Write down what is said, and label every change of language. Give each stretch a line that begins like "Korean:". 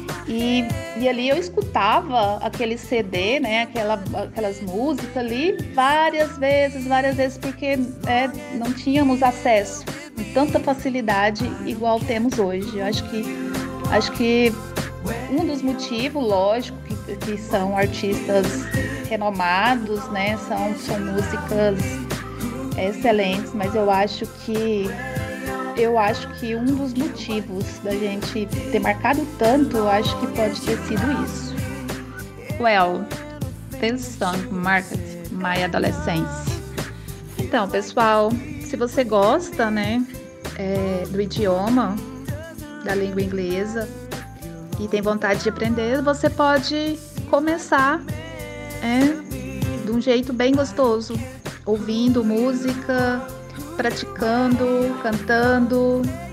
Portuguese: E ali eu escutava aquele CD, né, aquelas músicas ali várias vezes, porque não tínhamos acesso com tanta facilidade igual temos hoje. Eu acho que um dos motivos, lógico, que são artistas renomados, né, são músicas excelentes, mas eu acho que um dos motivos da gente ter marcado tanto, eu acho que pode ter sido isso.
English: Well, this song marked my adolescence.
Portuguese: Então, pessoal, se você gosta, né, do idioma, da língua inglesa, e tem vontade de aprender, você pode começar de um jeito bem gostoso, ouvindo música, praticando, cantando.